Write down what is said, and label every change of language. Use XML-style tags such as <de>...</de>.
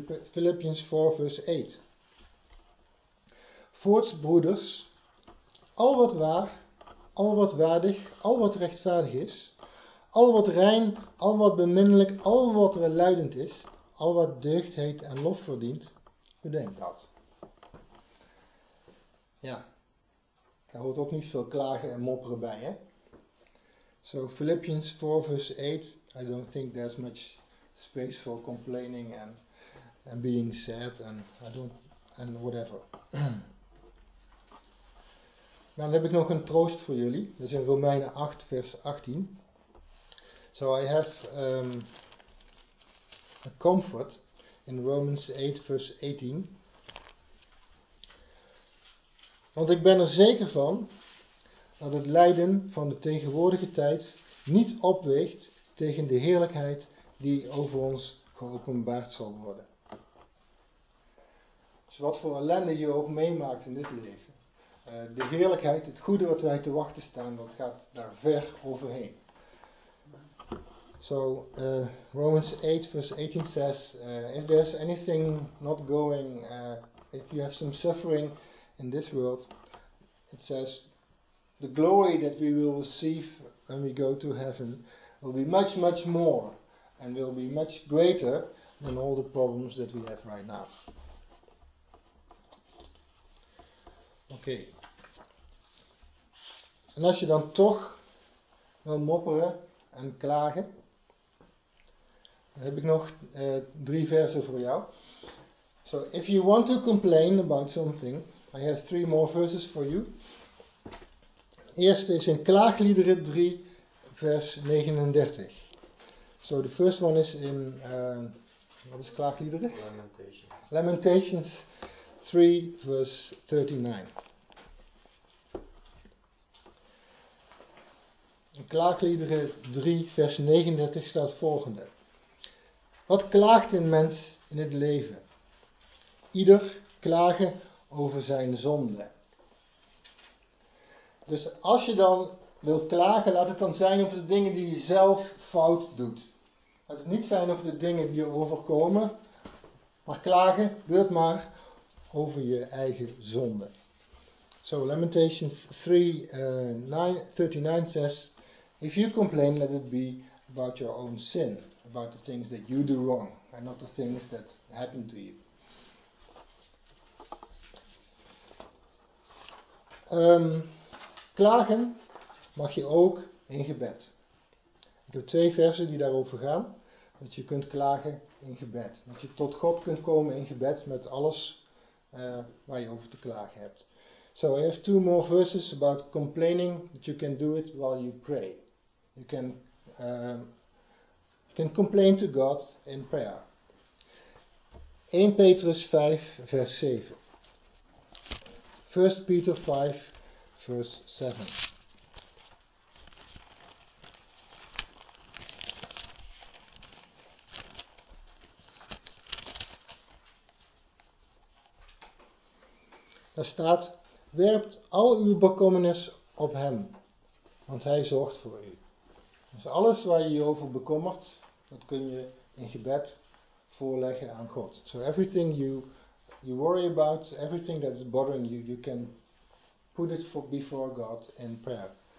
<nl>Philippians 4, vers 8. Voorts, broeders, al wat waar, al wat waardig, al wat rechtvaardig is, al wat rein, al wat beminnelijk, al wat welluidend is, al wat deugd heet en lof verdient, bedenk dat. Ja, daar hoort ook niet veel klagen en mopperen bij, hè?</nl> <en>So, Philippians 4, verse 8, I don't think there's much space for complaining and being sad and whatever.</en> <nl>Nou, dan heb ik nog een troost voor jullie. Dat is in Romeinen 8, vers 18.</nl> <en>So, I have a comfort in Romans 8, verse 18.</en> <nl>Want ik ben er zeker van dat het lijden van de tegenwoordige tijd niet opweegt tegen de heerlijkheid die over ons geopenbaard zal worden. Dus wat voor ellende je ook meemaakt in dit leven. De heerlijkheid, het goede wat wij te wachten staan, dat gaat daar ver overheen.</nl> <en>So, Romans 8 vers 18 says, if there's anything not going, if you have some suffering in this world, it says, the glory that we will receive when we go to heaven will be much, much more and will be much greater than all the problems that we have right now.</en> <nl>Oké. En als je dan toch wil mopperen en klagen, dan heb ik nog drie versen voor jou.</nl> <en>So, if you want to complain about something, I have three more verses for you.</en> <nl>Eerste is in Klaagliederen 3, vers 39.</nl> <en>So the first one is in,</en> <nl>wat is Klaagliederen?</nl> <en>Lamentations</en> <nl>3, vers 39. In Klaagliederen 3, vers 39 staat volgende. Wat klaagt een mens in het leven? Ieder klagen over zijn zonde. Dus als je dan wilt klagen, laat het dan zijn over de dingen die je zelf fout doet. Laat het niet zijn over de dingen die je overkomen, maar klagen, doe het maar over je eigen zonde.</nl> <en>So, Lamentations 3, 39 says, if you complain, let it be about your own sin, about the things that you do wrong, and not the things that happen to you.</en> <nl>Klagen mag je ook in gebed. Ik heb twee versen die daarover gaan. Dat je kunt klagen in gebed. Dat je tot God kunt komen in gebed met alles waar je over te klagen hebt.</nl> <en>So I have two more verses about complaining. That you can do it while you pray. You can complain to God in prayer.</en> <nl>1 Petrus 5 vers 7.</nl> <en>1 Peter 5 Verse 7.</en> <nl>Daar staat, werpt al uw bekommernis op hem, want hij zorgt voor u. Dus alles waar je je over bekommert, dat kun je in gebed voorleggen aan God.</nl> <en>So everything you worry about, everything that is bothering you, you can put it before God in prayer.</en>